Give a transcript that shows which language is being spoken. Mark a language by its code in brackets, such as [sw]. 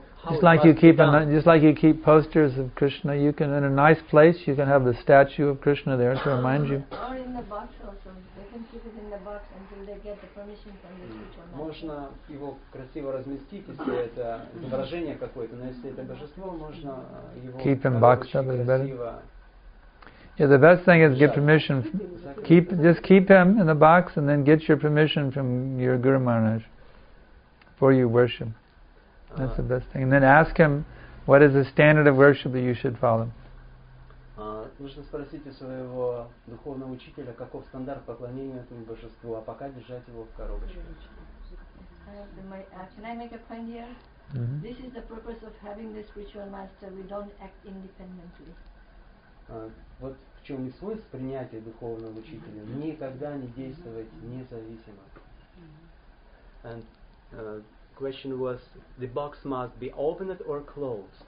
[en] Just like you keep posters of Krishna, you can in a nice place you can have the statue of Krishna there to remind you. Or in the box also, they can keep it in the box until they get the permission from the teacher. [ru] Можно его красиво разместить, если это изображение какое-то, но если это божество, можно его. [en] Keep in box up is better. Yeah, the best thing is get permission. Just keep him in the box and then get your permission from your Guru Maharaj for your worship. That's the best thing. And then ask him, what is the standard of worship that you should follow? [ru] Нужно спросить у своего духовного учителя, каков стандарт поклонения этому божеству, а пока держать его в коробочке. [en] Can I make a point here? This is the purpose of having this spiritual master. We don't act independently. [ru] Вот в чем и смысл принятия духовного учителя. Никогда не действовать независимо. [en] Question was, the box must be opened or closed?